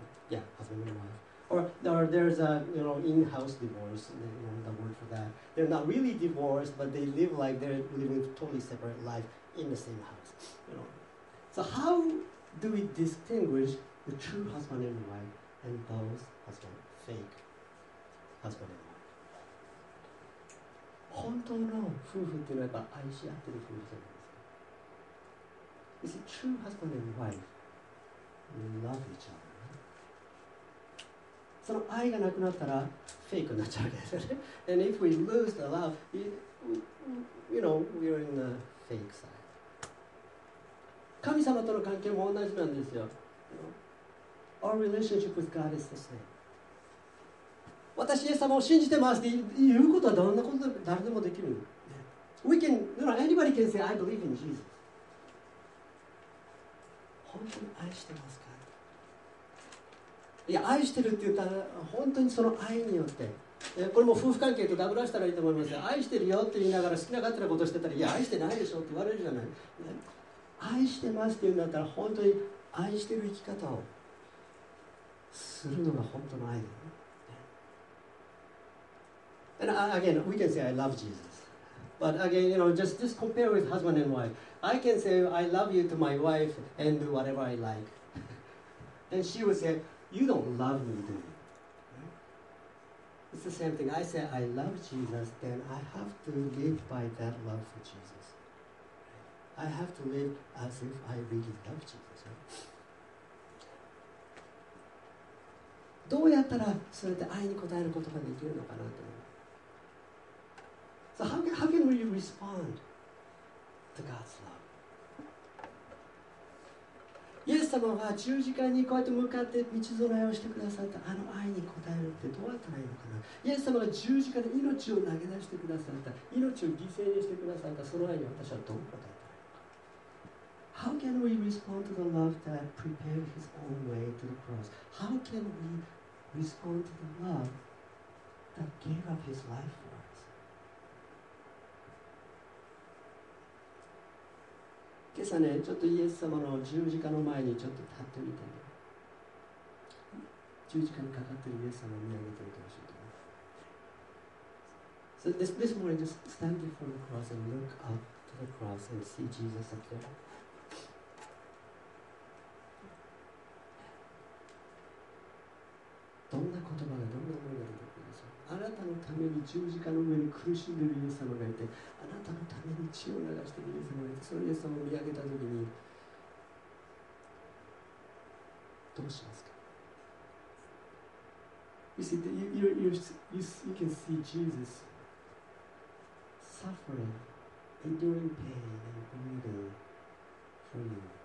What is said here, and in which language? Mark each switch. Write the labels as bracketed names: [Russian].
[English] Yeah, husband and wife. Or there's a, you know, in-house divorce, you know, the word for that. They're not really divorced, but they live like they're living a totally separate life in the same house. You know? So how do we distinguish the true husband and wife and those husband, fake husband and wife? [Japanese] 本当の夫婦っていうのはやっぱ愛し合ってる夫婦じゃないですか。 [English] You see, true husband and wife love each other. [Japanese] その愛がなくなったらフェイクになっちゃうわけですよね。 [English] And if we lose the love, we are in the fake side. [Japanese] 神様との関係も同じなんですよ。 [English] Our relationship with God is the same. [Japanese] 私、イエス様を信じてますって言うことはどんなことでも誰でもできる。 [English] We can, you know, anybody can say, I believe in Jesus. [Japanese] 本当に愛してますか？いや、愛してるって言ったら本当にその愛によって、これも夫婦関係とダブらしたらいいと思いますよ。愛してるよって言いながら好きな勝手なことしてたら、いや愛してないでしょって言われるじゃない、ね、愛してますって言うんだったら本当に愛してる生き方をするのが本当の愛だよね。 [English] And again, we can say I love Jesus. But again, you know, just compare with husband and wife. I can say I love you to my wife and do whatever I like. And she would sayYou don't love me, do you? It's the same thing. I say I love Jesus, then I have to live by that love for Jesus. I have to live as if I really love Jesus. [Japanese] どうやったらそれで愛に応えることができるのかなと。 [English] So how can we respond to God's love? [Japanese] イエス様は十字架にこうやって向かって道備えをしてくださったあの愛に応えるってどうやったらいいのかな。イエス様が十字架で命を投げ出してくださった、命を犠牲にしてくださったその愛に私はどう応えたらいいのか。 [English] How can we respond to the love that prepared his own way to the cross? How can we respond to the love that gave up his life for us? [Japanese] 今朝ね、ちょっとイエス様の十字架の前にちょっと立ってみて、ね、十字架にかかっているイエス様を見上げてみてほしいと思います。 [English] So this morning, just stand before the cross and look up to the cross and see Jesus up there. [Japanese] どんな言葉が、どんな思いが出てくるでしょう。あなたのために十字架の上に苦しんでいるイエス様がいて、あなたのために血を流しているイエス様がいて、そのイエス様を見上げたときにどうしますか。 [English] You see, you can see Jesus suffering, enduring pain and grieving for you.